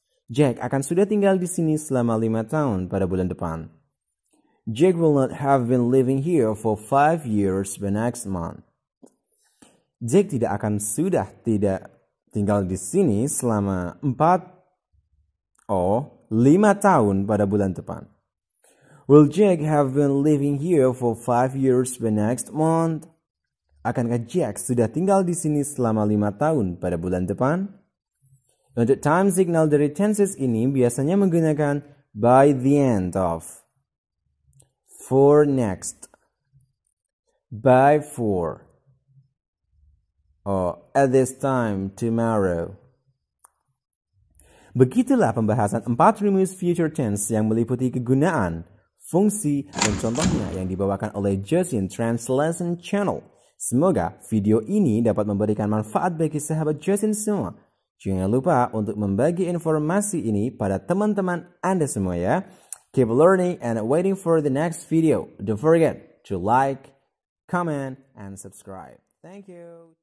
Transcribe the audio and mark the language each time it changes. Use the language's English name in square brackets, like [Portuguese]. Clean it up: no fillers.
[Indonesian] Jack akan sudah tinggal di sini selama 5 tahun pada bulan depan. [English] Jack will not have been living here for 5 years by next month. [Indonesian] Jack tidak akan sudah tidak tinggal di sini selama 5 tahun pada bulan depan. [English] Will Jack have been living here for 5 years by next month? [Indonesian] Akankah Jack sudah tinggal di sini selama 5 tahun pada bulan depan? Untuk time signal dari tenses ini biasanya menggunakan [English] by the end of, for next, by for, or at this time tomorrow. [Indonesian] Begitulah pembahasan 4 Rumus Future Tense yang meliputi kegunaan, fungsi, dan contohnya yang dibawakan oleh Joesin Translation Channel. Semoga video ini dapat memberikan manfaat bagi sahabat Joesin semua. Jangan lupa untuk membagi informasi ini pada teman-teman Anda semua ya. [English] Keep learning and waiting for the next video. Don't forget to like, comment, and subscribe. Thank you.